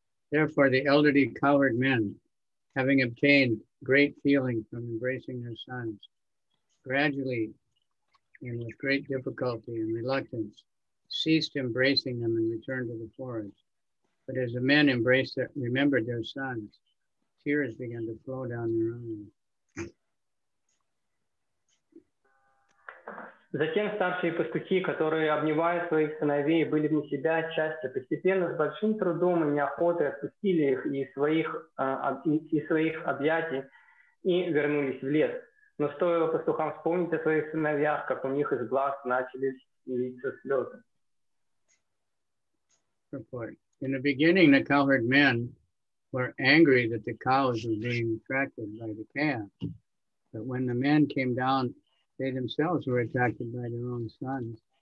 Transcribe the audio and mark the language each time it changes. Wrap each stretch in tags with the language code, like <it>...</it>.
<en>Therefore, the elderly cowherd men, having obtained great feeling from embracing their sons, gradually and with great difficulty and reluctance ceased embracing them and returned to the forest. But as the men embraced their, remembered their sons, tears began to flow down their eyes.</en> <ru>Затем старшие пастухи, которые, обнимая своих сыновей, были вне себя от счастья, постепенно с большим трудом и неохотой отпустили их из своих объятий и вернулись в лес. Но стоило пастухам вспомнить о своих сыновьях, как у них из глаз начали литься слезы.</ru> <en>In the beginning, the cowherd men were angry that the cows were being attracted by the calves. But when the men came down, they themselves were attracted by their own sons,</en>